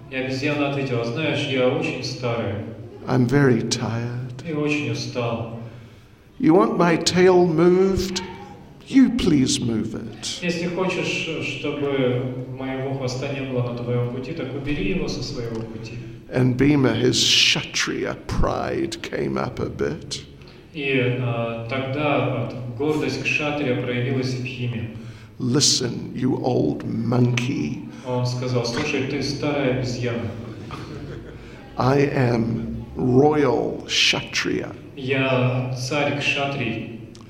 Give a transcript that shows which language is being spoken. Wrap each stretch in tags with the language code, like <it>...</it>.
<ru>И обезьяна ответила: "Знаешь, я очень старая."</ru> <en>"I'm very tired."</en> <ru>И очень устал.</ru> <en>"You want my tail moved? You please move it."</en> <ru>Если хочешь, чтобы моего хвоста не было на твоем пути, так убери его со своего пути.</ru> <en>And Bhima, his kshatriya pride came up a bit.</en> <ru>И тогда гордость кшатрия проявилась в Бхиме.</ru> <en>"Listen, you old monkey."</en> <ru>Он сказал: "Слушай, ты старая обезьяна."</ru> <en>"I am royal kshatriya."</en> <ru>Я царь кшатрий.</ru>